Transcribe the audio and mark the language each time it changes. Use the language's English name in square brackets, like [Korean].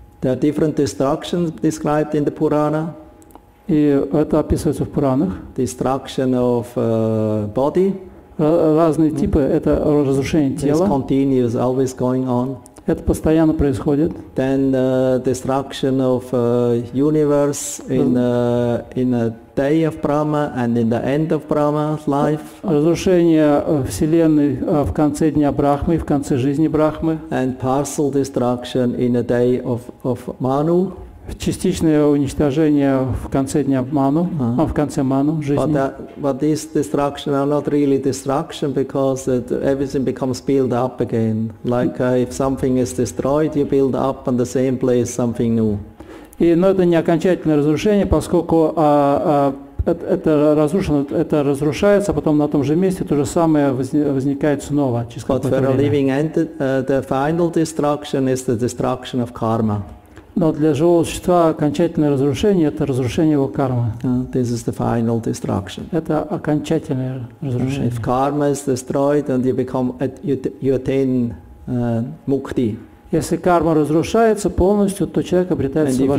[English] There are different destructions described in the Purana. [Russian] И это описывается в Пуранах. [English] Destruction of body. [Russian] Разные типы. Это разрушение тела. [English] It's continuous, always going on. [Russian] Это постоянно происходит. [English] Then destruction of universe in a day of Brahma and in the end of Brahma's life. [Russian] Разрушение Вселенной в конце дня Брахмы, в конце жизни Брахмы. [English] And partial destruction in a day of Manu. [Russian] частичное уничтожение в конце дня ману, а в конце ману жизни. [English] But this destruction are not really destruction because it, everything becomes built up again. Like if something is destroyed, you build up on the same place something new. [Russian] И, но это не окончательное разрушение, поскольку это разрушено, это разрушается, потом на том же месте то же самое возникает снова через какое-то время. [English] But for a living entity, the final destruction is the destruction of karma. [Russian] Но для живого существа окончательное разрушение – это разрушение его кармы. [English] This is the final destruction. [Russian] Это окончательное разрушение. [English] If karma is destroyed and you attain mukti. [Russian] Если карма разрушается полностью, то человек обретает